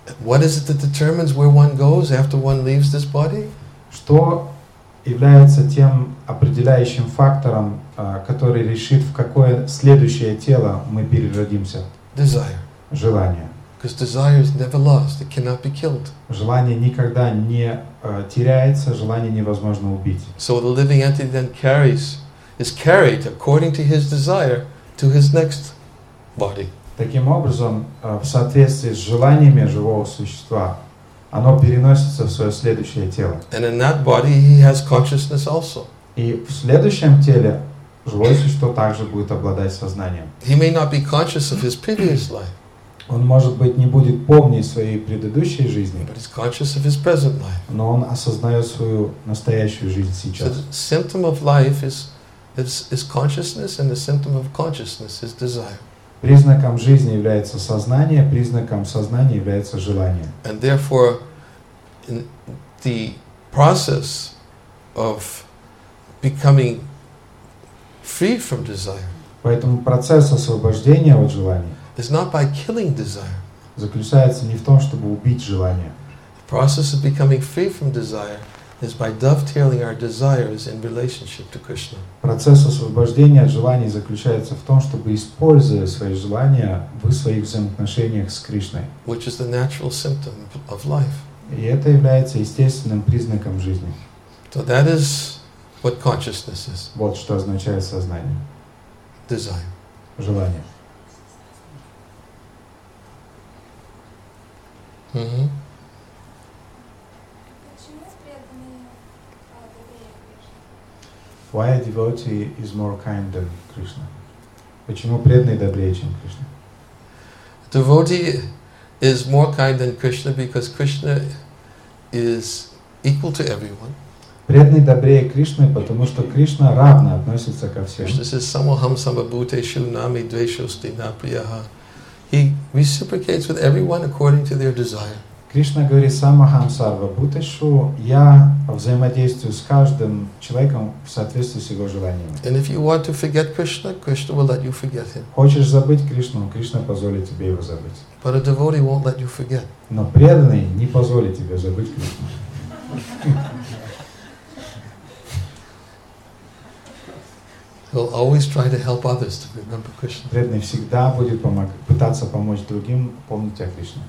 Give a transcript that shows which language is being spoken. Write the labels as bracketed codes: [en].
[en] What is it that determines where one goes after one leaves this body? [ru] Что является тем определяющим фактором, который решит, в какое следующее тело мы переродимся? [en] Desire. [ru] Желание. [en] Because desire is never lost, it cannot be killed. [ru] Желание никогда не теряется, желание невозможно убить. [en] So the living entity then is carried according to his desire to his next body. [ru] Таким образом, в соответствии с желаниями живого существа, оно переносится в свое следующее тело. [en] And in that body he has consciousness also. [ru] И в следующем теле живое существо также будет обладать сознанием. [en] He may not be conscious of his previous life. [ru] Он, может быть, не будет помнить своей предыдущей жизни. [en] But he's conscious of his present life. [ru] Но он осознает свою настоящую жизнь сейчас. [en] So the symptom of life is consciousness, and the symptom of consciousness is desire. [ru] Признаком жизни является сознание, признаком сознания является желание. [en] And therefore, in the process of becoming free from desire. [ru] Поэтому процесс освобождения от желания. [en] It's not by killing desire. [ru] Заключается не в том, чтобы убить желание. [en] The process of becoming free from desire is by dovetailing our desires in relationship to Krishna. [ru] Процесс освобождения от желаний заключается в том, чтобы используя свои желания в своих взаимоотношениях с Кришной. [en] Which is the natural symptom of life. [ru] И это является естественным признаком жизни. [en] So that is what consciousness is. [ru] Вот что означает сознание. [en] Desire. [ru] Желание. [en] Why a devotee is more kind than Krishna? [ru] Почему преданный добрее, чем Кришна? [en] Devotee is more kind than Krishna because Krishna is equal to everyone. [ru] Преданный добрее Кришны, потому что Кришна равно относится ко всем. [en] Krishna says, [sa] Samoham samabhuteshu nami dveshosti na priyaha. [en] He reciprocates with everyone according to their desire. [ru] Кришна говорит, [sa] самахам сарва бутешу, [ru] я взаимодействую с каждым человеком в соответствии с его желаниями. [en] And if you want to forget Krishna, Krishna will let you forget him. [ru] Хочешь забыть Кришну, Кришна позволит тебе его забыть. [en] But a devotee won't let you forget. [ru] Но преданный не позволит тебе забыть Кришну. [en] He'll always try to help others to remember Krishna. [ru] Преданный всегда будет пытаться помочь другим помнить о Кришне.